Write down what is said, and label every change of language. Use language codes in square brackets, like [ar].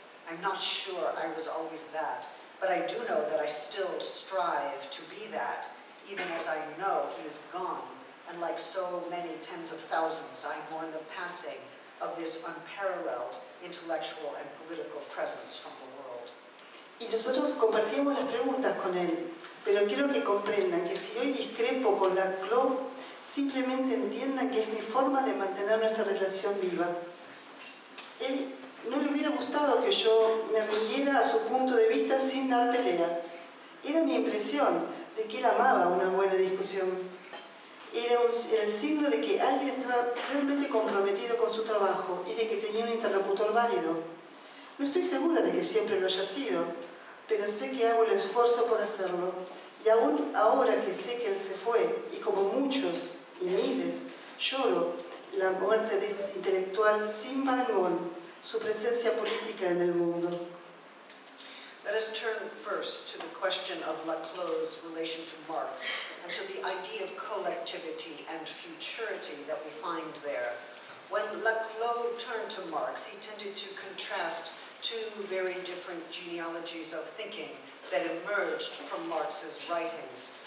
[en] I'm not sure I was always that, but I do know that I still strive to be that, even as I know he is gone, and like so many tens of thousands, I mourn the passing of this unparalleled intellectual and political presence from the world. [es] Y nosotros compartimos las preguntas con él, pero quiero que comprendan que si hoy discrepo con Laclos, simplemente entiendan que es mi forma de mantener nuestra relación viva. Él no le hubiera gustado que yo me rindiera a su punto de vista sin dar pelea. Era mi impresión de que él amaba una buena discusión. Era el signo de que alguien estaba realmente comprometido con su trabajo y de que tenía un interlocutor válido. No estoy segura de que siempre lo haya sido, pero sé que hago el esfuerzo por hacerlo. Y aún ahora que sé que él se fue, y como muchos y miles, lloro la muerte de este intelectual sin parangón, su presencia política en el mundo. [en] Let us turn first to the question of Laclos' relation to Marx and to the idea of collectivity and futurity that we find there. When Laclos turned to Marx, he tended to contrast two very different genealogies of thinking that emerged from Marx's writings.